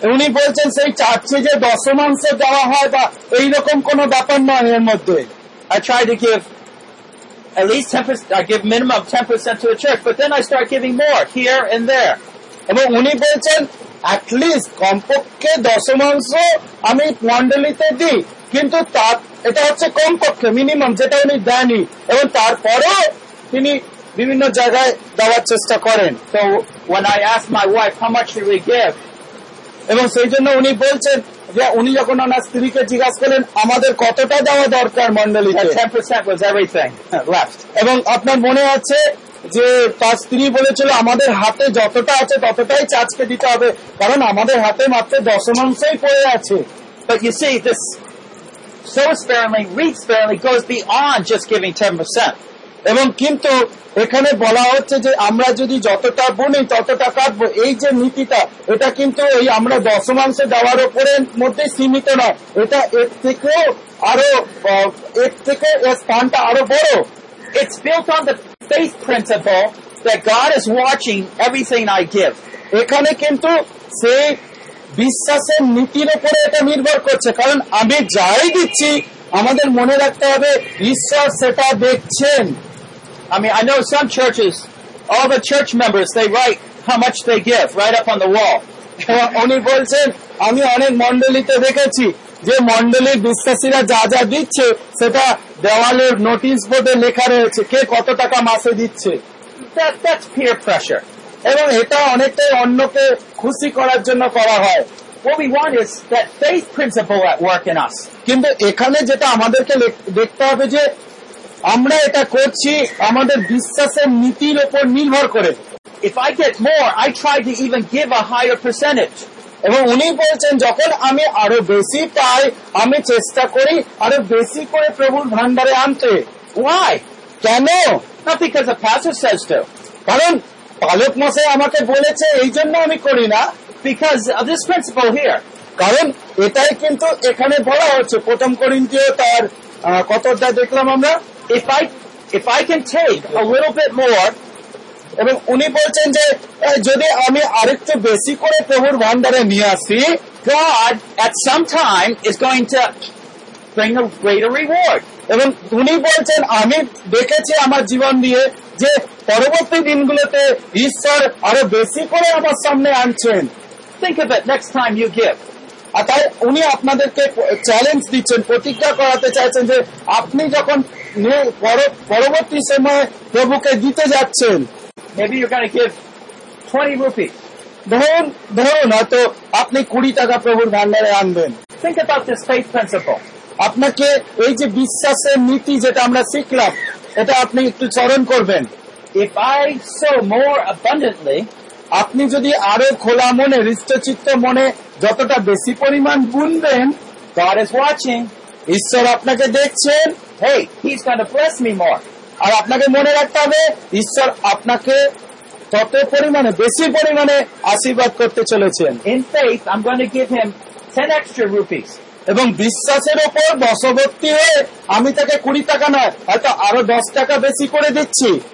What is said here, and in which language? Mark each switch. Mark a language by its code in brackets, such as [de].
[bn] উনি বলছেন সেই চার্চে যে দশমাংশ দেওয়া হয় বা এইরকম কোন ব্যাপার নয়, এর মধ্যে [en] I try to give at least 10%, I give minimum 10% to the church, but then I start giving more here and there. [bn] এবং উনি বলছেন at least কমপক্ষে দশমাংশ আমি মন্ডলিতে দিই, কিন্তু তার এটা হচ্ছে কমপক্ষে মিনিমাম যেটা উনি দেনই এবং তারপরে তিনি বিভিন্ন জায়গায় দেওয়ার চেষ্টা করেন। [en] So when I ask my wife how much should we give, [bn] এবং সেই জন্য উনি বলছেন যে উনি যখন ওনার স্ত্রীকে জিজ্ঞাসা করলেন আমাদের কতটা দেওয়া দরকার মন্ডলিতে, এবং আপনার মনে আছে যে তার স্ত্রী বলেছিল আমাদের হাতে যতটা আছে ততটাই চার্জকে দিতে হবে কারণ আমাদের হাতে মাত্র দশমাংশই পড়ে আছে। [en] But you see, this sows sparingly, reaps sparingly goes beyond just giving 10%. [bn] এবং কিন্তু এখানে বলা হচ্ছে যে আমরা যদি যতটা বুনি ততটা কাটবো, এই যে নীতিটা এটা কিন্তু এই আমরা দশমাংশ দেওয়ার উপরের মধ্যে সীমিত নয়, এটা এর থেকেও আরো এর থেকে স্থানটা আরো বড়। [en] It's built on the faith principle that God is watching everything I give. [bn] এখানে কিন্তু সেই বিশ্বাসের নীতির উপরে এটা নির্ভর করছে, কারণ আমি যাই দিচ্ছি আমাদের মনে রাখতে হবে ঈশ্বর সেটা দেখছেন। আমি [en] I know some churches, all the church members, they write how much they give right up on the wall. [bn] উনি বলছেন আমি অনেক মন্ডলিতে দেখেছি যে মন্ডলীর বিশ্বাসীরা যা যা দিচ্ছে সেটা দেওয়ালের নোটিশ বোর্ডে লেখা রয়েছে কে কত টাকা মাসে দিচ্ছে। [en] that's peer pressure. [bn] এবং এটা অনেকটাই অন্যকে খুশি করার জন্য করা হয়। [en] What we want is that faith principle at work in us. [bn] কিন্তু এখানে যেটা আমাদেরকে দেখতে হবে যে আমরা এটা করছি আমাদের বিশ্বাসের নীতির উপর নির্ভর করে। [en] If I get more, I try to even give a higher percentage. [bn] এবং উনি বলছেন যখন আমি আরো বেশি পাই আমি চেষ্টা করি আরো বেশি করে প্রভুর ভান্ডারে আনতে। [en] Why? [bn] কেন? [en] Not because the pastor says to. [bn] কারণ পালক মশাই আমাকে বলেছে এই জন্য আমি করি না। [en] Because of this principle here. [bn] কারণ এটাই কিন্তু এখানে বলা হচ্ছে প্রথম করিন্থীয় তার কত অধ্যায় দেখলাম আমরা। [en] If I can take a little bit more, [bn] এবং উনি বলছেন যে যদি আমি আরেকটু বেশি করে প্রভুর ভান্ডারে নিয়ে আসি, [en] God at some time is going to bring a greater reward. [bn] এবং উনি বলছেন আমি দেখেছি আমার জীবন দিয়ে যে পরবর্তী দিনগুলোতে ঈশ্বর আরো বেশি করে আমার সামনে আনছেন। [en] Think of it, next time you give. [bn] তাই উনি আপনাদেরকে চ্যালেঞ্জ দিচ্ছেন, প্রতিজ্ঞা করাতে চাইছেন যে আপনি যখন পরবর্তী সময় প্রভুকে দিতে যাচ্ছেন, [en] maybe you're going to give 20 rupees. [bn] ধরুন হয়তো আপনি 20 টাকা প্রভুর ভান্ডারে আনবেন। [en] Think about this faith principle. [bn] আপনাকে এই যে বিশ্বাসের নীতি যেটা আমরা শিখলাম এটা আপনি একটু চরণ করবেন। [en] If I sow more abundantly, [bn] আপনি যদি আরো খোলা মনে হৃষ্টচিত্ত মনে যতটা বেশি পরিমাণ গুনবেন, [en] God is watching. [bn] ঈশ্বর আপনাকে দেখছেন। [en] Hey, he's going to bless me more. [bn] আর আপনাকে মনে রাখতে হবে ঈশ্বর আপনাকে তত পরিমাণে বেশি পরিমাণে আশীর্বাদ করতে চলেছেন। [en] In faith, I'm going to give him 10 extra rupees. [bn] এবং বিশ্বাসের উপর বশবর্তী হয়ে আমি তাকে 20 টাকা নয় হয়তো আরো 10 টাকা বেশি করে দিচ্ছি।